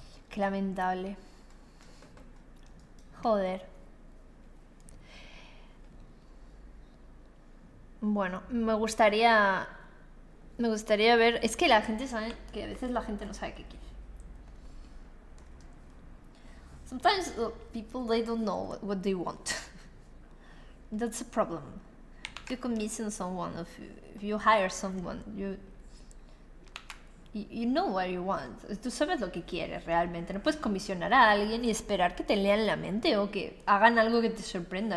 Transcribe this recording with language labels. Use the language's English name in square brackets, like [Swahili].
[Spanish] Qué lamentable. Joder. Bueno, me gustaría ver, es que la gente sabe que a veces la gente no sabe qué quiere. [English] Sometimes people they don't know what they want. That's a problem. If you commission someone, if you hire someone, you know what you want. [Spanish] Tú sabes lo que quieres realmente. No puedes comisionar a alguien y esperar que te lean la mente o que hagan algo que te sorprenda.